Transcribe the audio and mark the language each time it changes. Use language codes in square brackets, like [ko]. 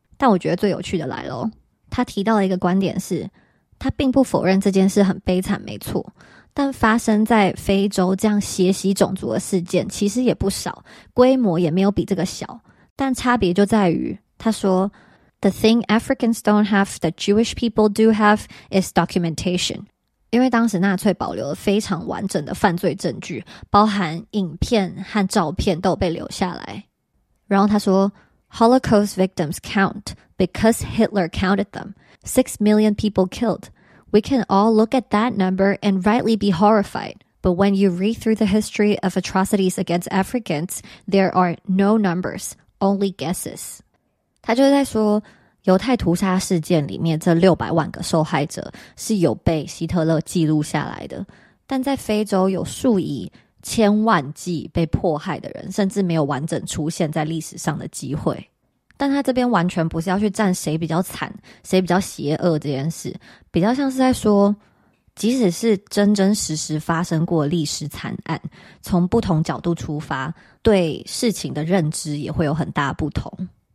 [zh] 但我觉得最有趣的来了，他提到了一个观点是，他并不否认这件事很悲惨没错，但发生在非洲这样血洗种族的事件其实也不少，规模也没有比这个小，但差别就在于，他说 [en] The thing Africans don't have that Jewish people do have is documentation， [zh] 因为当时纳粹保留了非常完整的犯罪证据，包含影片和照片都被留下来。然后他说 [en] Holocaust victims count because Hitler counted them. 6 million people killed. We can all look at that number and rightly be horrified. But when you read through the history of atrocities against Africans, there are no numbers, only guesses. [zh] 他就在说犹太屠杀事件里面这600万个受害者是有被希特勒记录下来的，但在非洲有数以千万计被迫害的人甚至没有完整出现在历史上的机会。但他这边完全不是要去站谁比较惨谁比较邪恶这件事，比较像是在说即使是真真实实发生过历史惨案，从不同角度出发对事情的认知也会有很大不同。